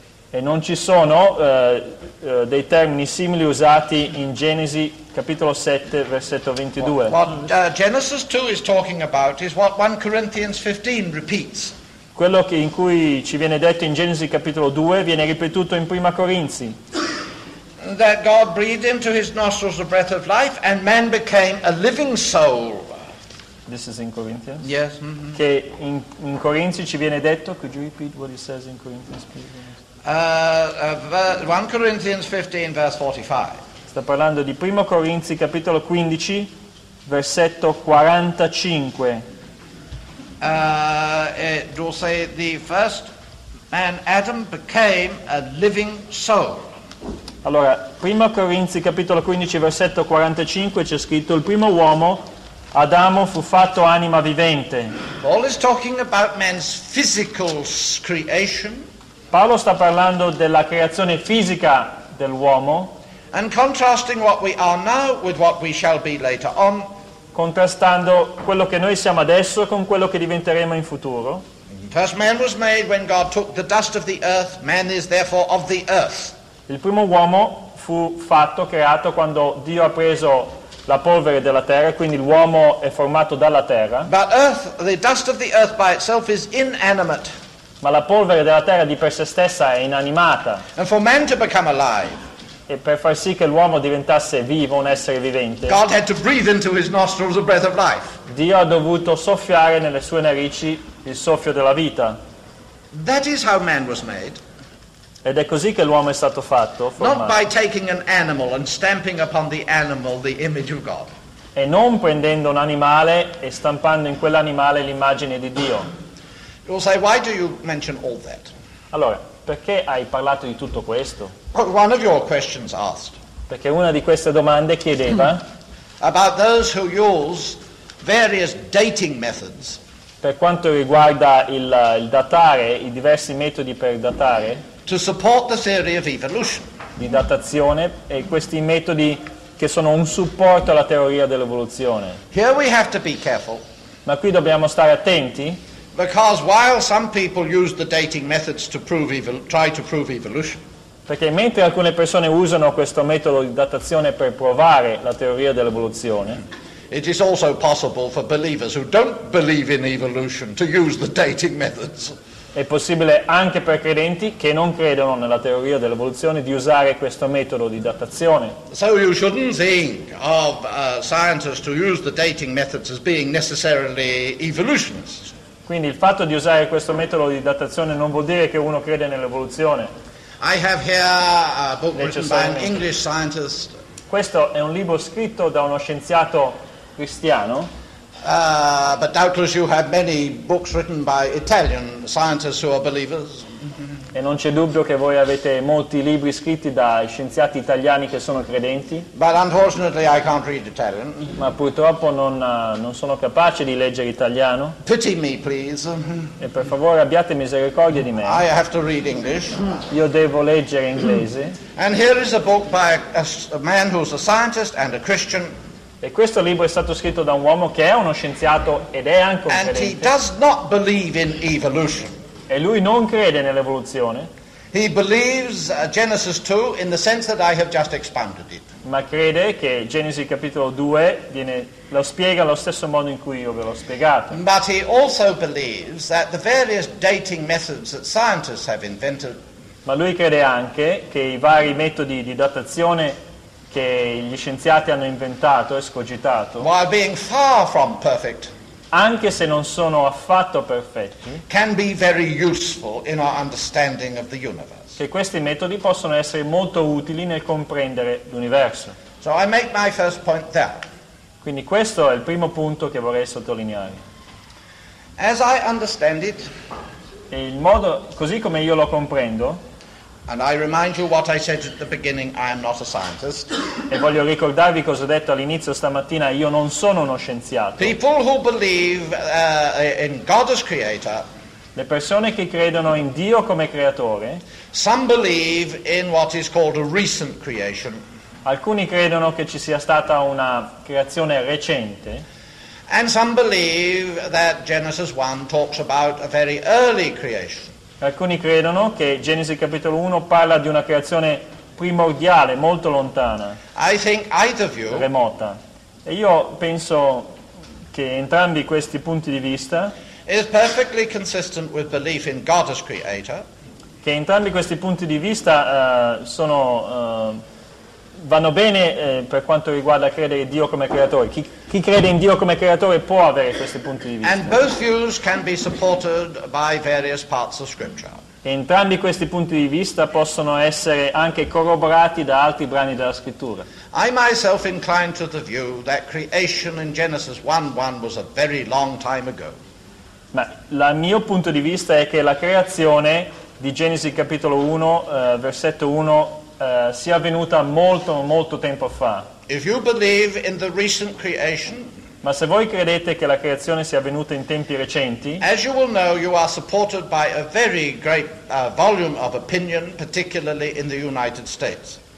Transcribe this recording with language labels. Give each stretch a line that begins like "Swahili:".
Italian: E non ci sono dei termini simili usati in Genesi capitolo 7 versetto 22.
English: Genesis 2 is talking about is what 1 Corinthians 15 repeats.
Italian: Quello che in cui ci viene detto in Genesi capitolo 2 viene ripetuto in Prima Corinzi.
English: That God breathed into his nostrils the breath of life and man became a living soul. This is in Corinthians. Yes. Mm-hmm.
Italian: Che in Corinzi ci viene detto,
English: could you repeat what it says in Corinthians, please? 1 Corinthians 15 verse 45.
Italian: Sta parlando di Primo Corinzi capitolo 15 versetto 45.
English: It will say the first man Adam became a living soul.
Italian: Allora, Primo Corinzi capitolo 15 versetto 45 c'è scritto: il primo uomo Adamo fu fatto anima vivente.
English: Paul is talking about man's physical creation.
Italian: Paolo sta parlando della creazione fisica dell'uomo.
English: And contrasting what we are now with what we shall be later on.
Italian: Contrastando quello che noi siamo adesso con quello che diventeremo in futuro.
English: First man was made when God took the dust of the earth. Man is therefore of the earth.
Italian: Il primo uomo fu fatto, creato, quando Dio ha preso la polvere della terra, quindi l'uomo è formato dalla terra.
English: But earth, the dust of the earth by itself is inanimate.
Italian: Ma la polvere della terra di per sé stessa è inanimata.
English: And for man to become alive,
Italian: e per far sì che l'uomo diventasse vivo, un essere vivente,
English: God had to breathe into his nostrils the breath of life.
Italian: Dio ha dovuto soffiare nelle sue narici il soffio della vita.
English: That is how man was made.
Italian: Ed è così che l'uomo è stato fatto, formato.
English: Not by taking an animal and stamping upon the animal the image of God.
Italian: E non prendendo un animale e stampando in quell'animale l'immagine di Dio.
English: You will say, why do you mention all that?
Italian: Allora, perché hai parlato di tutto questo?
English: One of your questions asked.
Italian: Perché una di queste domande chiedeva
English: about those who use various dating methods.
Italian: Per quanto riguarda il datare, i diversi metodi per datare.
English: To support the theory of evolution.
Italian: Di datazione e questi metodi che sono un supporto alla teoria dell'evoluzione.
English: Here we have to be careful.
Italian: Ma qui dobbiamo stare attenti.
English: Because while some people use the dating methods to prove try to prove evolution.
Italian: Perché mentre alcune persone usano questo metodo di datazione per provare la teoria dell'evoluzione.
English: It is also possible for believers who don't believe in evolution to use the dating methods.
Italian: È possibile anche per credenti che non credono nella teoria dell'evoluzione di usare questo metodo di datazione.
English: So you shouldn't think of scientists who use the dating methods as being necessarily evolutionists.
Italian: Quindi il fatto di usare questo metodo di datazione non vuol dire che uno crede nell'evoluzione.
English: I have here a book written by an English scientist.
Italian: Questo è un libro scritto da uno scienziato cristiano.
English: But doubtless you have many books written by Italian scientists who are believers.
Italian: E non c'è dubbio che voi avete molti libri scritti da scienziati italiani che sono credenti.
English: But unfortunately I can't read Italian.
Italian: Ma purtroppo non sono capace di leggere italiano.
English: Pity me, please.
Italian: E per favore abbiate misericordia di me.
English: I have to read English.
Italian: Io devo leggere inglese.
English: And here is a book by a man who's a scientist and a Christian.
Italian: E questo libro è stato scritto da un uomo che è uno scienziato ed è anche un credente.
English: And he does not believe in evolution.
Italian: E lui non crede nell'evoluzione.
English: He believes Genesis 2 in the sense that I have just expounded it.
Italian: Ma crede che Genesi capitolo 2 lo spiega allo stesso modo in cui io ve l'ho spiegato.
English: But he also believes that the various dating methods that scientists have invented.
Italian: Ma lui crede anche che i vari metodi di datazione che gli scienziati hanno inventato e escogitato,
English: while being far from perfect,
Italian: anche se non sono affatto perfetti,
English: can be very useful in our understanding of the universe.
Italian: Che questi metodi possono essere molto utili nel comprendere l'universo.
English: So I make my first point there.
Italian: Quindi questo è il primo punto che vorrei sottolineare.
English: As I understand it,
Italian: e il modo, così come io lo comprendo,
English: and I remind you what I said at the beginning, I am not a scientist.
Italian: E voglio ricordarvi cosa ho detto all'inizio stamattina, io non sono uno scienziato.
English: People who believe in God as creator.
Italian: Le persone che credono in Dio come creatore.
English: Some believe in what is called a recent creation.
Italian: Alcuni credono che ci sia stata una creazione recente.
English: And some believe that Genesis 1 talks about a very early creation.
Italian: Alcuni credono che Genesi capitolo 1 parla di una creazione primordiale, molto lontana,
English: I think either view,
Italian: remota. E io penso che entrambi questi punti di vista,
English: is perfectly consistent with belief in God as creator,
Italian: che entrambi questi punti di vista sono vanno bene per quanto riguarda credere in Dio come creatore. Chi crede in Dio come creatore può avere questi punti di vista.
English: And both views can be supported by various parts of scripture.
Italian: E entrambi questi punti di vista possono essere anche corroborati da altri brani della scrittura.
English: I myself incline to the view that creation in Genesis 1:1 was a very long time ago.
Italian: Ma il mio punto di vista è che la creazione di Genesi capitolo 1 versetto 1 sia avvenuta molto molto tempo fa.
English: If you believe in the recent creation,
Italian: ma se voi credete che la creazione sia avvenuta in tempi recenti,
English: as you will know, you are supported by a very great volume of opinion, particularly in the United States.